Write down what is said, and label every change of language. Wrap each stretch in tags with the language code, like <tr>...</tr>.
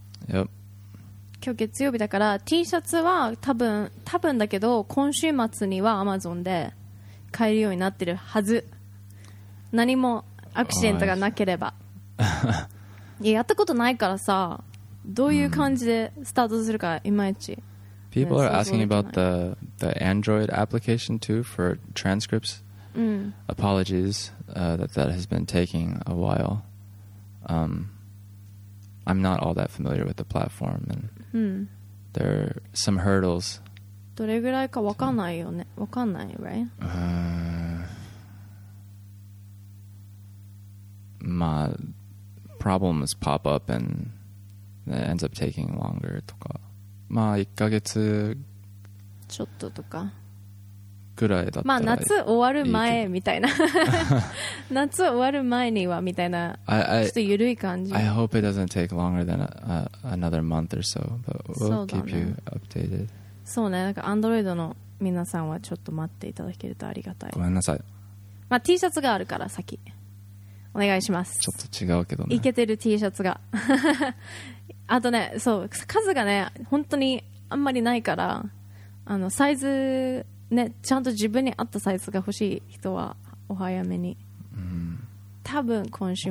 <ja>今日月曜日だから T シャツは多分だけど今週末には Amazon で買えるようになってるはず。何もアクシデントがなければ。</ja> <en>Oh, nice.</en> <ja>いや、 やったことないからさ、どういう感じでスタートするかいまいち。</ja> <en>People are asking about the Android application too for transcripts. Apologies, that has been taking a while. I'm not all that familiar with the platform and there are some hurdles.</en> <ja>どれぐらいかわかんないよね。わかんない、</ja> <en>right? まあ。Problems pop up and it ends up taking longer とか、</en> <ja>まあ1ヶ月ちょっととかぐらいだったら、まあ夏終わる前みたいな、夏終わる前にはみたいな、ちょっと緩い感じ。</ja> <en>I hope it doesn't take longer than another month or so, but we'll keep you updated.</en> <ja>そうね、なんか Android の皆さんはちょっと待っていただけるとありがたい。ごめんなさい。まあ、T シャツがあるから先お願いします。ちょっと違うけどね、イケてる T シャツがあとね、そう、数がね本当にあんまりないから、あのサイズね、ちゃんと自分に合ったサイズが欲しい人はお早めに、多分今週</ja>